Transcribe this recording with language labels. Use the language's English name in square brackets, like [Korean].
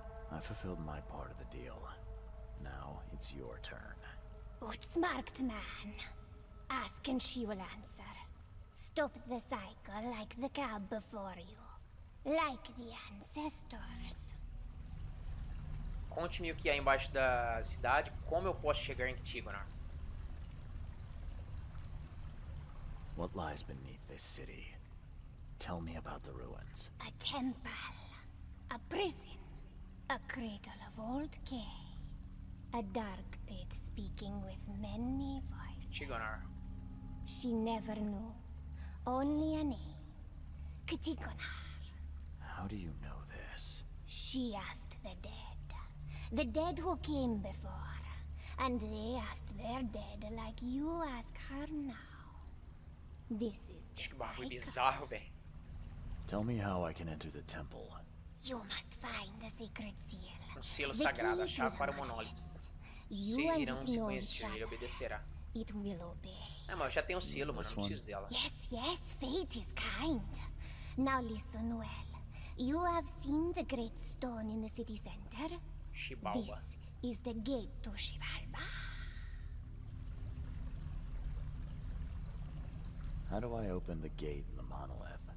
[English] I fulfilled my part of the deal. Now it's your turn. What's marked, man? Ask and she will answer. Stop the cycle like the cab before you. Like the ancestors. [Portuguese] Conte-me o que há embaixo da cidade, como eu posso chegar em Tigonar. [English] What lies beneath this city? Tell me about the ruins. A temple. A prison. A cradle of old Kay. A dark pit speaking with many voices. Tigonar. She never knew. Only a name. K'Tigonar. How do you know this? She asked the dead. The dead who came before. And they asked their dead like you ask her now. This is the cycle. [Portuguese] Bizarro, véi. [English] Tell me how I can enter the temple. You must find a secret seal. [Portuguese] Um selo sagrado, a chave para o monólito. You vocês irão se conhecer, ele obedecerá. [English] It will obey. [Portuguese] É, mas eu já tenho o selo, mas não preciso dela. [English] Yes, yes, fate is kind. Now listen well. You have seen the great stone in the city center? Shibalba. This is the gate to Shibalba. How do I open the gate in the monolith?